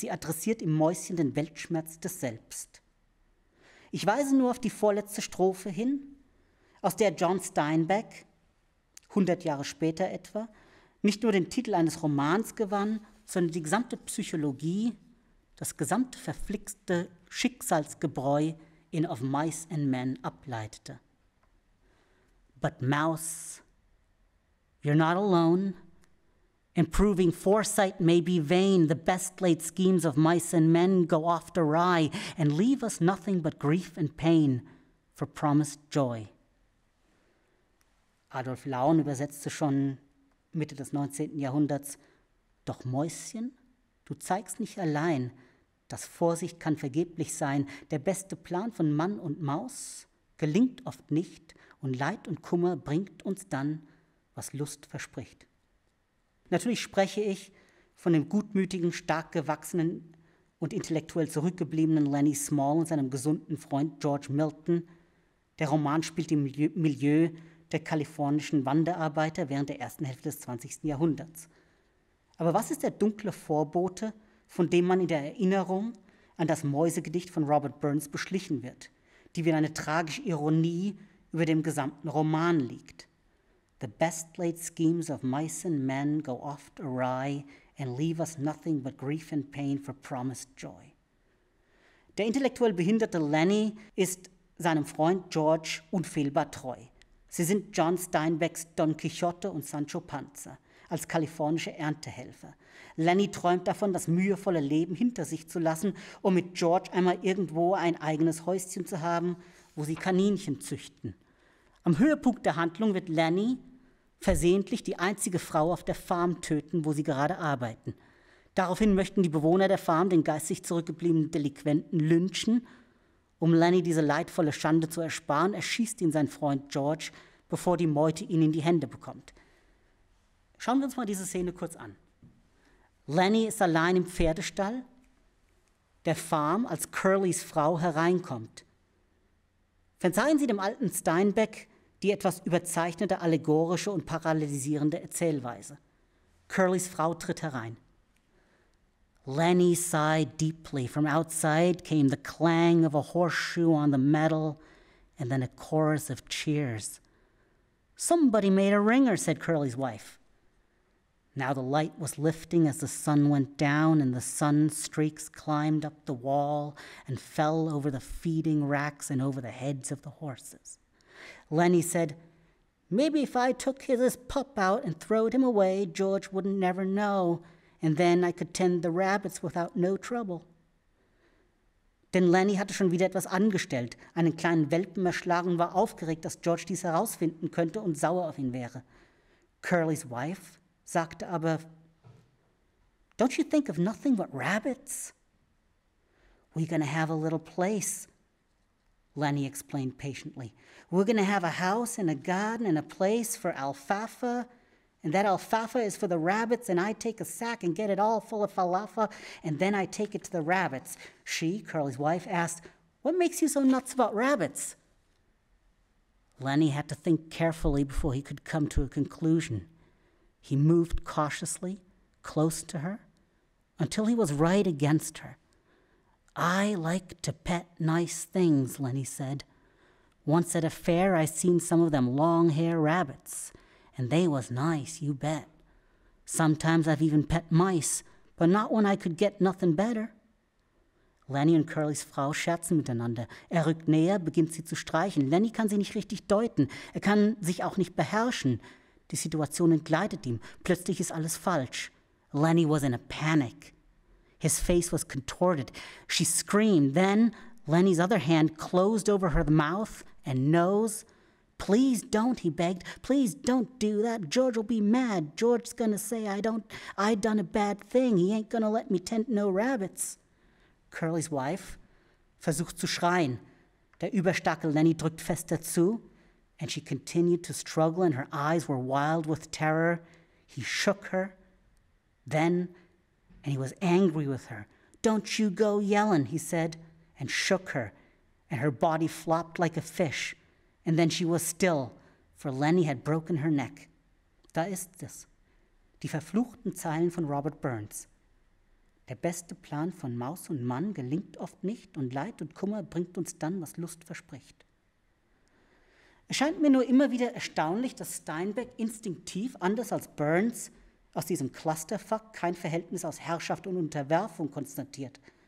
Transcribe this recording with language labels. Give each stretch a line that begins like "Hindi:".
German: Sie adressiert im Mäuschen den Weltschmerz des Selbst. Ich weise nur auf die vorletzte Strophe hin, aus der John Steinbeck, 100 Jahre später etwa, nicht nur den Titel eines Romans gewann, sondern die gesamte Psychologie, das gesamte verflixte Schicksalsgebräu in Of Mice and Men ableitete.
English: But mouse, you're not alone. Improving foresight may be vain. The best laid schemes of mice and men go oft awry and leave us nothing but grief and pain for promised joy.
German: Adolf Laun übersetzte schon Mitte des 19. Jahrhunderts: Doch Mäuschen, du zeigst nicht allein, dass Vorsicht kann vergeblich sein. Der beste Plan von Mann und Maus gelingt oft nicht und Leid und Kummer bringt uns dann, was Lust verspricht. Natürlich spreche ich von dem gutmütigen, stark gewachsenen und intellektuell zurückgebliebenen Lenny Small und seinem gesunden Freund George Milton. Der Roman spielt im Milieu der kalifornischen Wanderarbeiter während der ersten Hälfte des 20. Jahrhunderts. Aber was ist der dunkle Vorbote, von dem man in der Erinnerung an das Mäusegedicht von Robert Burns beschlichen wird, die wie eine tragische Ironie über dem gesamten Roman liegt? The best laid schemes of mice and men go oft awry and leave us nothing but grief and pain for promised joy. Der intellektuell behinderte Lenny ist seinem Freund George unfehlbar treu. Sie sind John Steinbecks Don Quixote und Sancho Panza als kalifornische Erntehelfer. Lenny träumt davon, das mühevolle Leben hinter sich zu lassen, um mit George einmal irgendwo ein eigenes Häuschen zu haben, wo sie Kaninchen züchten. Am Höhepunkt der Handlung wird Lenny versehentlich die einzige Frau auf der Farm töten, wo sie gerade arbeiten. Daraufhin möchten die Bewohner der Farm den geistig zurückgebliebenen Delinquenten lynchen. Um Lenny diese leidvolle Schande zu ersparen, erschießt ihn sein Freund George, bevor die Meute ihn in die Hände bekommt. Schauen wir uns mal diese Szene kurz an. Lenny ist allein im Pferdestall der Farm, als Curlys Frau hereinkommt. Verzeihen Sie dem alten Steinbeck die etwas überzeichnete allegorische und parallelisierende Erzählweise. Curlys Frau tritt herein.
English: Lenny sighed deeply. From outside came the clang of a horseshoe on the metal and then a chorus of cheers. Somebody made a ringer, said Curly's wife. Now the light was lifting as the sun went down and the sun streaks climbed up the wall and fell over the feeding racks and over the heads of the horses. Lenny said, maybe if I took his pup out and throwed him away, George wouldn't never know, and then I could tend the rabbits without no trouble.
German: Denn Lenny hatte schon wieder etwas angestellt, einen kleinen Welpen erschlagen, war aufgeregt, dass George dies herausfinden könnte und sauer auf ihn wäre.
English: Curly's wife
German: sagte aber,
English: don't you think of nothing but rabbits? We're gonna have a little place, Lenny explained patiently. We're gonna have a house and a garden and a place for alfalfa, and that alfalfa is for the rabbits, and I take a sack and get it all full of falafa, and then I take it to the rabbits. She, Curly's wife, asked, what makes you so nuts about rabbits? Lenny had to think carefully before he could come to a conclusion. He moved cautiously, close to her, until he was right against her. I like to pet nice things, Lenny said. Once at a fair, I seen some of them long-haired rabbits, and they was nice, you bet. Sometimes I've even pet mice, but not when I could get nothing better.
German: Lenny und Curlys Frau scherzen miteinander. Er rückt näher, beginnt sie zu streichen. Lenny kann sie nicht richtig deuten. Er kann sich auch nicht beherrschen. Die Situation entgleitet ihm. Plötzlich ist alles falsch.
English: Lenny was in a panic. His face was contorted. She screamed. Then Lenny's other hand closed over her mouth and nose. Please don't, he begged. Please don't do that. George will be mad. George's gonna say I done a bad thing. He ain't gonna let me tend no rabbits.
German: Curlys wife versucht zu schreien. Der überstarke Lenny drückt fest dazu.
English: And she continued to struggle and her eyes were wild with terror. He shook her. Then, and he was angry with her. Don't you go yelling, he said, and shook her. And her body flopped like a fish. And then she was still, for Lenny had broken her neck.
German: Da ist es. Die verfluchten Zeilen von Robert Burns. Der beste Plan von Maus und Mann gelingt oft nicht und Leid und Kummer bringt uns dann, was Lust verspricht. Es scheint mir nur immer wieder erstaunlich, dass Steinbeck instinktiv, anders als Burns, aus diesem Clusterfuck kein Verhältnis aus Herrschaft und Unterwerfung konstatiert.